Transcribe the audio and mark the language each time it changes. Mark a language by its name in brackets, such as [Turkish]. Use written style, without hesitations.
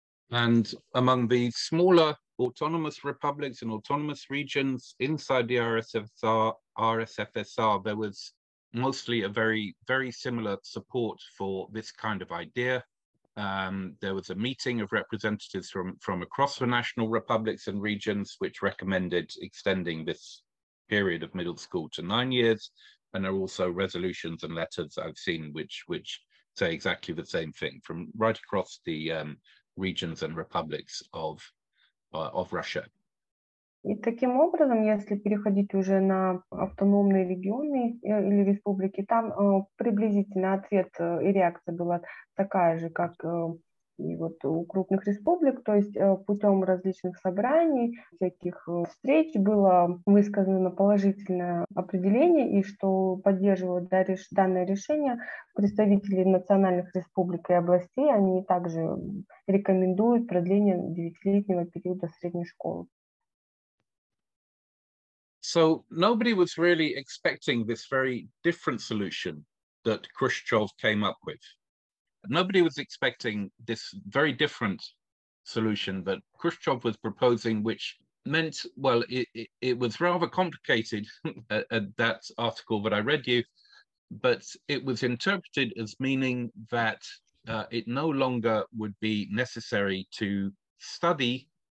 [English] And among the smaller autonomous republics and autonomous regions inside the RSFSR, there was mostly a very, very similar support for this kind of idea. There was a meeting of representatives from across the national republics and regions, which recommended extending this period of middle school to 9 years. And there are also resolutions and letters I've seen which say exactly the same thing from right across the regions and republics of Russia. [Russian] И таким образом, если переходить уже на автономные регионы или республики, там приблизительно ответ и реакция была такая же, как и вот у крупных республик, то есть путем различных собраний, всяких встреч было высказано положительное определение, и что поддерживают данное решение представители национальных республик и областей, они также рекомендуют продление 9-летнего периода средней школы. [English] So nobody was really expecting this very different solution that Khrushchev came up with. Nobody was expecting this very different solution that Khrushchev was proposing, which meant, well, it was rather complicated, that article that I read you, but it was interpreted as meaning that it no longer would be necessary to study